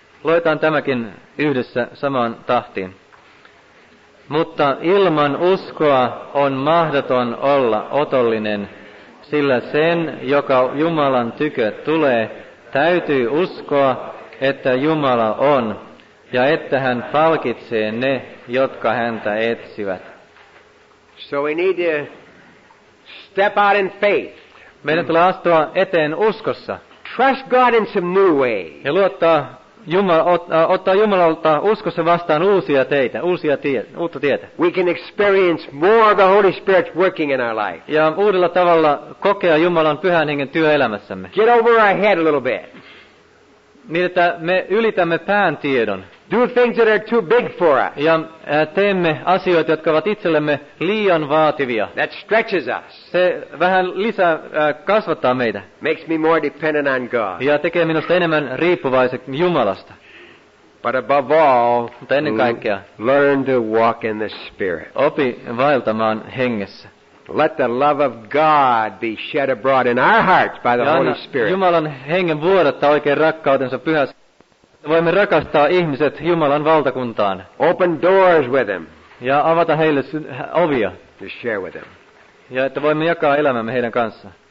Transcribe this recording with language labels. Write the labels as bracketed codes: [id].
[fi] Luetaan tämäkin yhdessä samaan tahtiin. Mutta ilman uskoa on mahdoton olla otollinen, sillä sen, joka Jumalan tykö tulee, täytyy uskoa, että Jumala on, ja että hän palkitsee ne, jotka häntä etsivät. [en] So we need to step out in faith. [fi] Meidän tulee astua eteen uskossa. [en] Trust God in some new ways. [fi] Ja luottaa ottaa Jumalalta uskossa vastaan uusia teitä, uutta tietä. [en] We can experience more of the Holy Spirit working in our life. [fi] Ja uudella tavalla kokea Jumalan pyhän hengen työelämässämme. [en] Get over our head a little bit. [fi] niin että me ylitämme pään tiedon. [en] Do things that are too big for us. [fi] Ja teemme asioita, jotka ovat itsellemme liian vaativia. [en] That stretches us. [fi] Se vähän lisää kasvattaa meitä. [en] Makes me more dependent on God. [fi] Ja tekee minusta enemmän riippuvaisen Jumalasta. [en] But above all, [fi] mutta ennen kaikkea, [en] learn to walk in the Spirit. [fi] Opi vaeltamaan hengessä. [en] Let the love of God be shed abroad in our hearts by the Holy Spirit. [fi] Jumalan hengen vuodattaa oikein rakkautensa pyhässä. Voimme rakastaa ihmiset Jumalan valtakuntaan. [en] Open doors with them. [fi] Ja avata heille ovia. [en] To share with them. [fi] Ja että voimme jakaa elämämme heidän kanssaan.